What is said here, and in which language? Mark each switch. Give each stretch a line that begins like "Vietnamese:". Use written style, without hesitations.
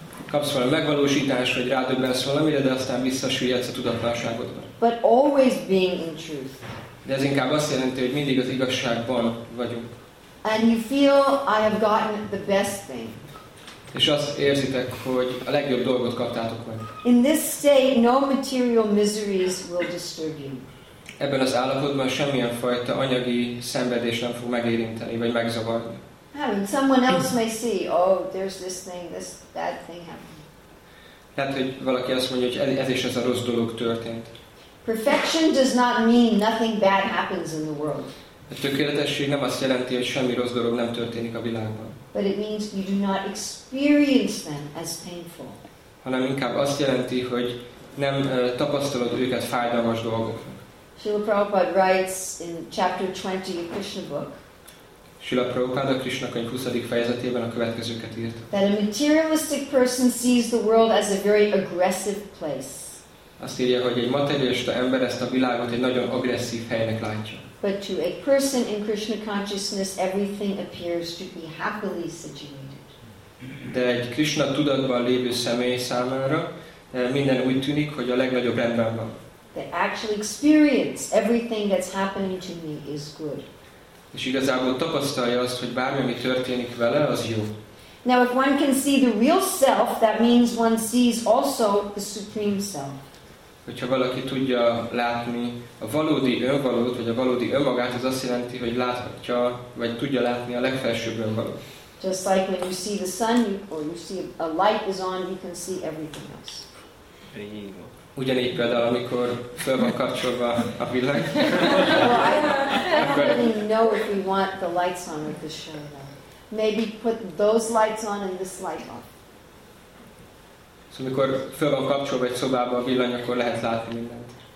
Hungarian: Kapsz valami megvalósítás, vagy rádöbbensz valamire, de aztán visszasüllyedsz a tudatlanságodba.
English: But always being in truth.
Hungarian: De ez inkább azt jelenti, hogy mindig az igazságban vagyunk.
English: And you feel I have gotten the best thing.
Hungarian: És azt érzitek, hogy a legjobb dolgot kaptátok meg.
English: In this state, no material miseries will disturb you.
Hungarian: Ebben az állapotban semmilyen fajta anyagi szenvedés nem fog megérinteni, vagy megzavarni.
English: Someone else may see, there's this thing, this bad thing happened.
Hungarian: Lehet, hogy valaki azt mondja, hogy ez is ez a rossz dolog történt.
English: Perfection does not mean nothing bad happens in the world.
Hungarian: A tökéletesség nem azt jelenti, hogy semmi rossz dolog nem történik a világban.
English: But it means you do not experience them as painful.
Hungarian: Hanem inkább azt jelenti, hogy nem tapasztalod őket fájdalmas dolgoknak.
English: Srila Prabhupada writes in chapter 20 of Krishna book.
Hungarian: Srila Prabhupada Krishna könyv 20. fejezetében a következőket írta.
English: That a materialistic person sees the world as a very aggressive place.
Hungarian: Azt írja, hogy egy materialista ember ezt a világot egy nagyon agresszív helynek látja.
English: But to a person in Krishna consciousness, everything appears to be happily situated.
Hungarian: De egy Krishna tudatban lévő személy számára minden úgy tűnik, hogy a legnagyobb rendben van.
English: The actual experience, everything that's happening to me is good.
Hungarian: És igazából tapasztalja azt, hogy bármi, ami történik vele, az jó.
English: Now if one can see the real self, that means one sees also the supreme self.
Hungarian: Hogyha valaki tudja látni a valódi önvalót, vagy a valódi önmagát, az azt jelenti, hogy láthatja, vagy tudja látni a legfelsőbb önvalót.
English: Just like when you see the sun, or you see a light is on, you can see everything else.
Hungarian: Ugyanígy például, amikor föl van kapcsolva a világ.
English: Well, I don't know if we want the lights on with this show, though. Maybe put those lights on and this light off.
Hungarian: Amikor föl van kapcsolva egy szobába a villany, akkor lehet látni mindent.